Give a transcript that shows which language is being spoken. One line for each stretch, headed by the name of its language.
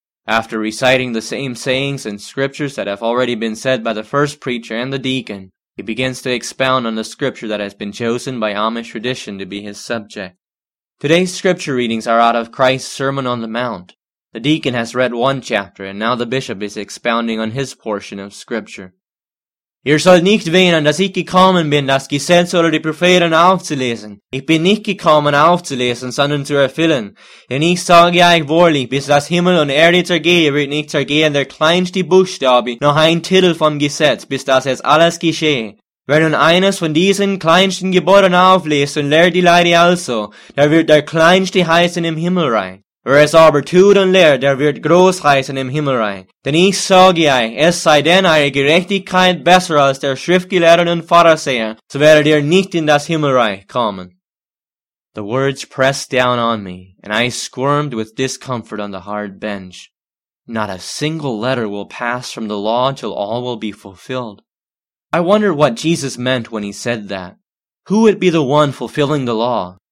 English: After reciting the same sayings and scriptures that have already been said by the first preacher and the deacon, he begins to expound on the scripture that has been chosen by Amish tradition to be his subject. Today's scripture readings are out of Christ's Sermon on the Mount. The deacon has read one chapter, and now the bishop is expounding on his portion of scripture.
German: Ihr sollt nicht wehnen, dass ich gekommen bin, das Gesetz oder die Propheten aufzulesen. Ich bin nicht gekommen aufzulesen, sondern zu erfüllen. Denn ich sage euch wahrlich, bis das Himmel und Erde zergehe, wird nicht zergehen der kleinste Buchstabe, noch ein Titel vom Gesetz, bis das es alles geschehe. Wer nun eines von diesen kleinsten Geboten auflässt und lehrt die Leute also, der wird der kleinste heißen im Himmelreich. Wer es aber tut und lehrt, der wird groß heißen im Himmelreich. Denn ich sage euch, es sei denn eure Gerechtigkeit besser als der Schriftgelehrten und Pharisäer, so werdet ihr nicht in das Himmelreich kommen.
English: The words pressed down on me, and I squirmed with discomfort on the hard bench. Not a single letter will pass from the law till all will be fulfilled. I wondered what Jesus meant when he said that. Who would be the one fulfilling the law?